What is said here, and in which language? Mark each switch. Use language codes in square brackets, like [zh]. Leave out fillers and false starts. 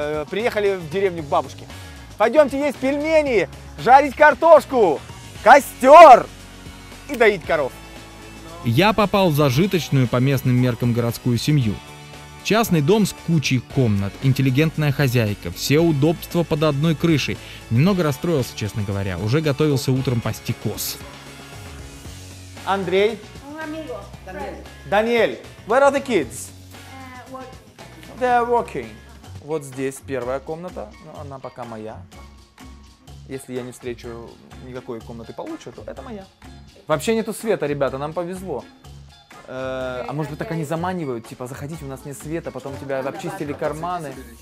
[ru] Приехали в деревню к бабушке. Пойдемте есть пельмени, жарить картошку, костер и доить коров. Я попал в зажиточную по местным меркам городскую семью. Частный дом с кучей комнат, интеллигентная хозяйка, все удобства под одной крышей. Немного расстроился, честно говоря, уже готовился утром пасти коз. Андрей? [en] Даниэль, where are the kids? They're working. [ru] Вот здесь первая комната, но она пока моя. Если я не встречу никакой комнаты получше, то это моя. Вообще нету света, ребята, нам повезло. А может быть так они заманивают, типа заходите, у нас нет света, потом тебя обчистили карманы.